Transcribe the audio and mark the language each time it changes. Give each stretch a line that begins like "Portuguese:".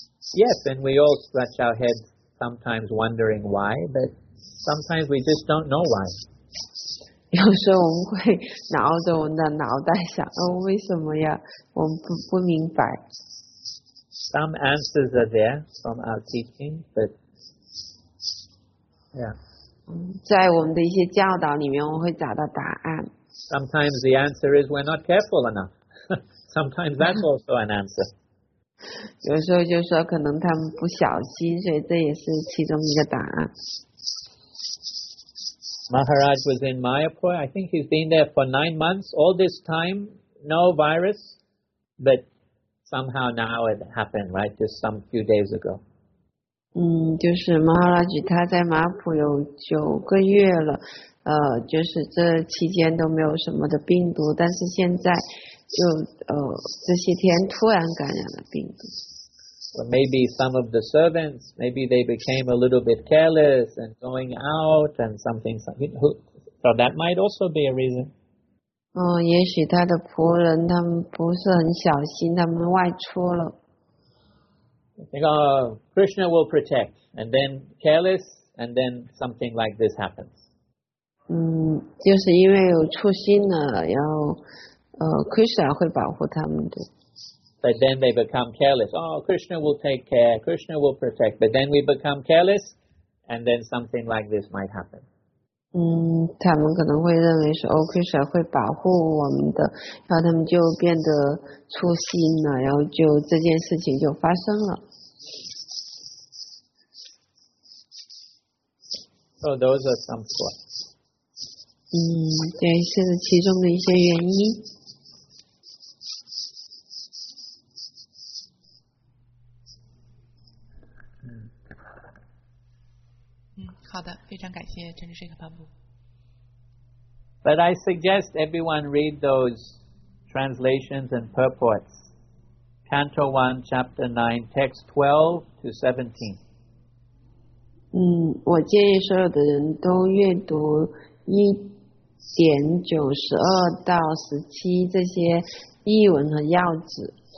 English: Yes, and we all scratch our heads sometimes wondering why, but sometimes we just don't know why.
Chinese: 有时候我们会挠着我们的脑袋想，为什么呀？我们不明白。
English: Some answers are there from our teaching, but yeah.
Chinese: 在我们的一些教导里面，我会找到答案。
English: Sometimes the answer is we're not careful enough. Sometimes that's also an answer.
Chinese: 有时候就说可能他们不小心，所以这也是其中一个答案。
English: Maharaj was in Mayapur. I think he's been there for 9 months. All this time, no virus. But somehow now it happened, right? Just some few days ago.
Chinese: 就是 Maharaj 他在马普有9个月了就是这期间都没有什么的病毒但是现在就这些天突然感染了病毒。
English: So maybe some of the servants, maybe they became a little bit careless and going out and something. So that might also be a reason.
Chinese: 也许他的仆人他们不是很小心，他们外出了。
English: Think, Krishna will protect, and then careless, and then something like this happens.
Chinese: 就是因为有粗心了，然后Krishna 会保护他们的。
English: But then they become careless. Oh, Krishna will take care. Krishna will protect. But then we become careless, and then something like this might happen.
Chinese: 他们可能会认为说，哦，Krishna 会保护我们的，然后他们就变得粗心了，然后就这件事情就发生了。
English: So those are some thoughts.
Chinese: 这是其中的一些原因。好的，非常感谢陈志胜和潘布。
English: But I suggest everyone read those translations and purports, Canto 1, Chapter 9, Text 12 to 17.
Chinese: 我建议所有的人都阅读1.92-17这些译文和要旨。